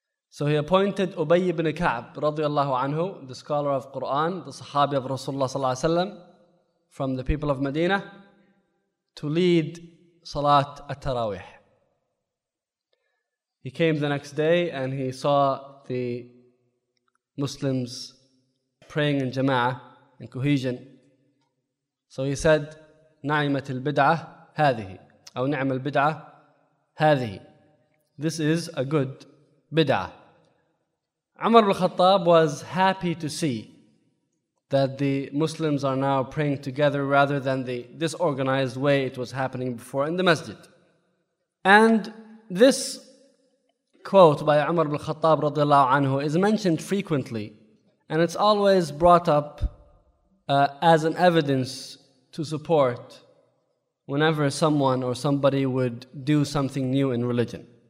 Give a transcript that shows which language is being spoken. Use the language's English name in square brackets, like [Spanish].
[English] So he appointed Ubay ibn Ka'b radiyallahu anhu, the scholar of Quran, the Sahabi of Rasulullah sallallahu alaihi wasallam, from the people of Medina, to lead Salat at-Tarawih. He came the next day and he saw the Muslims praying in jama'ah, in cohesion. So he said, [Arabic] نعمت البدعة هذه أو نعم البدعة هذه. [English] This is a good بدعة. Umar al-Khattab was happy to see that the Muslims are now praying together rather than the disorganized way it was happening before in the masjid. And this quote by Umar al-Khattab [Arabic] رضي الله عنه [English] is mentioned frequently, and it's always brought up as an evidence to support whenever someone or somebody would do something new in religion.